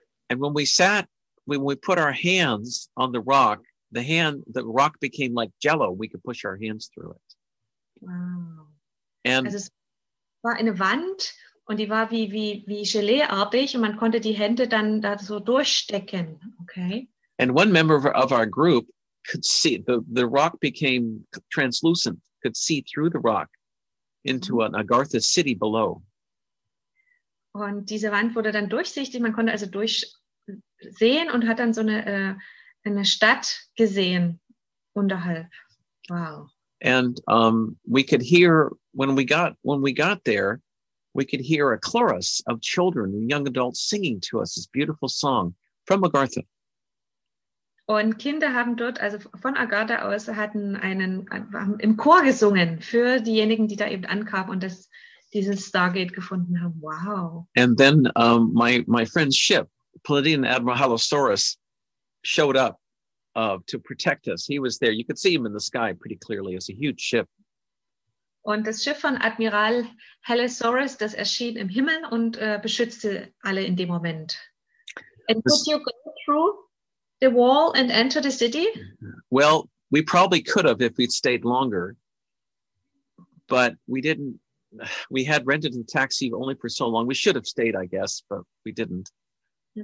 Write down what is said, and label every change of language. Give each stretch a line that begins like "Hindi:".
English: And when we sat, when we put our hands on the rock, the rock became like jello. We could push our hands through it. Wow. And
German: also es war eine Wand und die war wie geleeartig und man konnte die Hände dann da so durchstecken.
English: Okay. And one member of our group could see the rock became translucent, could see through the rock into an Agartha city below.
German: Und diese Wand wurde dann durchsichtig, man konnte also durchsehen und hat dann so eine Stadt gesehen unterhalb.
English: Wow. And we could hear when we got there, we could hear a chorus of children and young adults singing to us this beautiful song from Agartha.
German: Und Kinder haben dort, also von Agartha aus, hatten einen im Chor gesungen für diejenigen, die da eben ankamen und dieses Stargate gefunden haben.
English: Wow. And then my friend's ship, Palladian Admiral Halosaurus, showed up to protect us. He was there. You could see him in the sky pretty clearly. It's a huge ship.
German: Und das Schiff von Admiral Halosaurus, das erschien im Himmel und beschützte alle in dem Moment.
English: And could you go through the wall and enter the city? Well, we probably could have if we'd stayed longer, but we didn't. We had rented a taxi only for so long. We should have stayed, I guess, but we didn't. Okay.